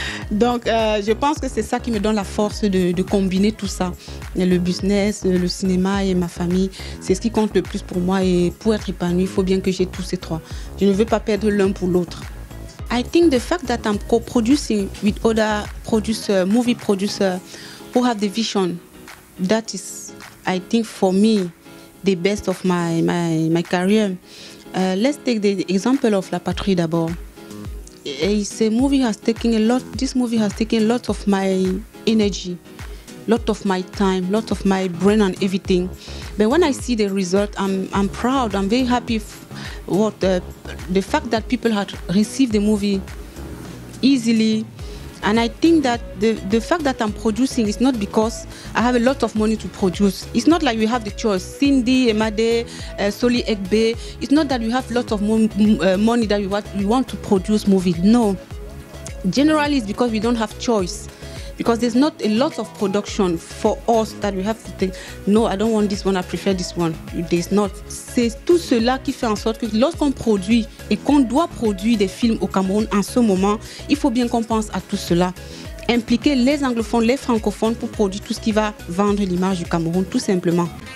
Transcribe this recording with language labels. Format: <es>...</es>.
<fr>Donc, je pense que c'est ça qui me donne la force de combiner tout ça. Le business, le cinéma et ma famille, c'est ce qui compte le plus pour moi. Et pour être épanouie, il faut bien que j'ai tous ces trois. Je ne veux pas perdre l'un pour l'autre.</fr> <en>I think the fact that I'm co-producing with other producer, movie producer who have the vision, that is, I think, for me, the best of my career. Let's take the example of La Patrie d'abord. It's a movie has taken a lot. This movie has taken a lot of my energy, lot of my time, lot of my brain and everything. But when I see the result, I'm proud. I'm very happy. The fact that people had received the movie easily, and I think that the fact that I'm producing is not because I have a lot of money to produce. It's not like we have the choice. Cindy, Emade, Soli Egbe. It's not that we have lots of money that we want to produce movie. No. Generally, it's because we don't have choice. Because there's not a lot of production for us that we have to think, no, I don't want this one, I prefer this one. There's not.</en> <fr>C'est tout cela qui fait en sorte que lorsqu'on produit et qu'on doit produire des films au Cameroun en ce moment, il faut bien qu'on pense à tout cela. Impliquer les anglophones, les francophones pour produire tout ce qui va vendre l'image du Cameroun, tout simplement.</fr>